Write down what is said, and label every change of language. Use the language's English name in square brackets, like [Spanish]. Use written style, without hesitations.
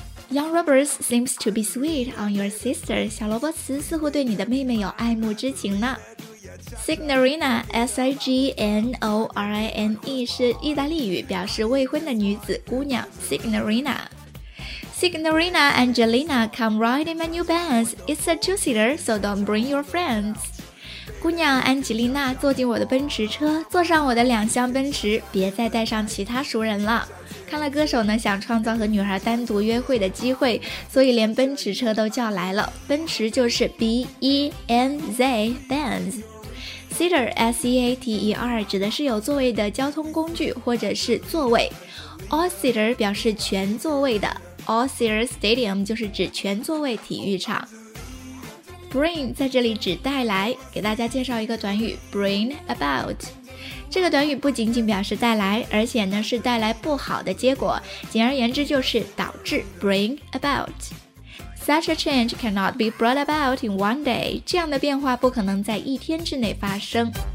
[English] Young Roberts seems to be sweet on your sister。 [Chinese] 小罗伯茨似乎对你的妹妹有爱慕之情呢。 Signorina, S-I-G-N-O-R-I-N-E 是意大利语，表示未婚的女子、姑娘。 [English] Signorina, Signorina Angelina, come ride in my new Benz. It's a two-seater, so don't bring your friends. [Chinese] 姑娘安吉丽娜，坐进我的奔驰车，坐上我的两厢奔驰，别再带上其他熟人了。看了歌手呢，想创造和女孩单独约会的机会，所以连奔驰车都叫来了。奔驰就是 B-E-N-Z, Benz。 Seater, S-E-A-T-E-R, 指的是有座位的交通工具或者是座位。 All-seater 表示全座位的。 [English] All-seater stadium [Chinese] 就是指全座位体育场。 Bring 在这里指带来，给大家介绍一个短语 , [English] bring about。 [Chinese] 这个短语不仅仅表示带来，而且呢是带来不好的结果，简而言之就是导致 , [English] bring about。 Such a change cannot be brought about in one day. [Chinese] 这样的变化不可能在一天之内发生。